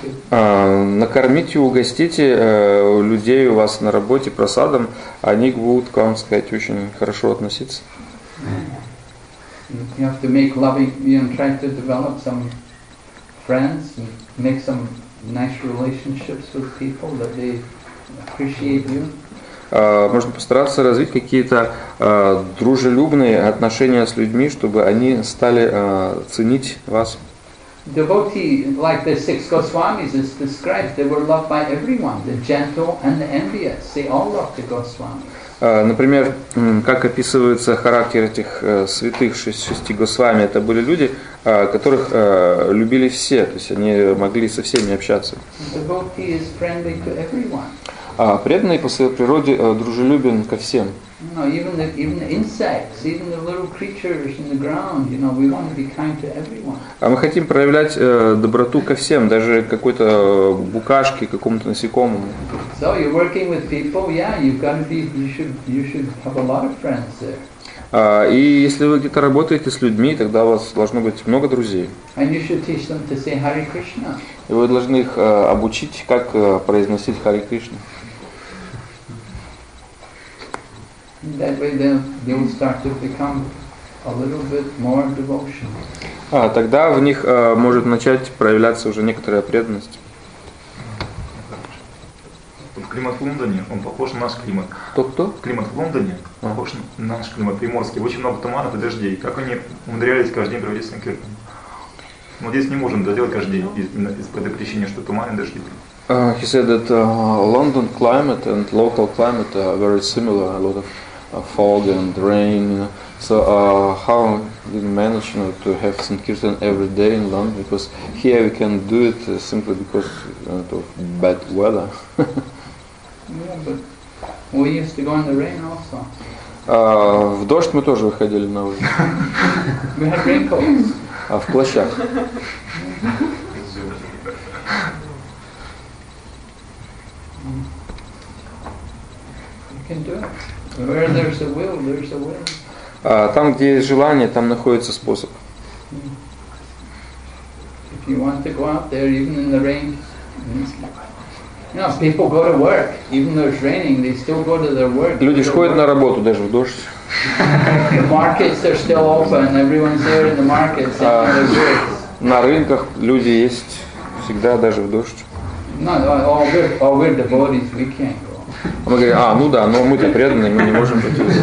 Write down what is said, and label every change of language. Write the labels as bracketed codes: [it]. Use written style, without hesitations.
[ru] Накормите, угостите людей у вас на работе просадом, они будут к вам, так сказать, очень хорошо относиться. [en] You have to make loving, you know, try to develop some friends, make some nice relationships with people that they appreciate you. [ru] Можно постараться развить какие-то дружелюбные отношения с людьми, чтобы они стали ценить вас. [en] Devotee, like the six Goswamis is described, they were loved by everyone, the gentle and the envious. They all loved the Goswami. [ru] Например, как описывается характер этих святых шести Госвами, это были люди, которых любили все, то есть они могли со всеми общаться. [en] Devotee is friendly to everyone. [ru] Преданный по своей природе дружелюбен ко всем. [en] No, even the insects, even the little creatures in the ground, you know, we want to be kind to everyone. [ru] А мы хотим проявлять доброту ко всем, даже какой-то букашке, какому-то насекомому. [en] So you're working with people, yeah, you should have a lot of friends there. [ru] И если вы где-то работаете с людьми, тогда у вас должно быть много друзей. [en] And you should teach them to say Hare Krishna. [ru] И вы должны их обучить, как произносить Харе Кришна. [en] That way they will start to become a little bit more devotion. [ru] Тогда в них может начать проявляться уже некоторая преданность. Климат в Лондоне, он похож на наш климат. Кто? Климат в Лондоне похож на наш климат, приморский. Очень много туманов и дождей. Как они умудрялись каждый день проводить санкиртан? Мы здесь не можем доделать каждый день по этой причине, что туман и дожди. [en] He said that London climate and local climate are very similar. A lot of fog and rain, you know. So how did you manage, you know, to have Sankirtan every day in London? Because here we can do it simply because of bad weather. Yeah, but we used to go in the rain also. [ru] В дождь мы тоже выходили на улицу. [en] We had raincoats. [ru] В плащах. [en] Where there's a will, there's a way. [ru] Там, где есть желание, там находится способ. [en] If you want to go out there, even in the rain, people go to work. Even though it's raining, they still go to their work. [ru] Люди ходят на работу даже в дождь. [en] The markets are still open. Everyone's there in the markets. [ru] На рынках люди есть всегда даже в дождь. [en] All we're devotees, we can't. [ru] Мы говорим, ну да, но мы-то преданные, мы не можем пойти.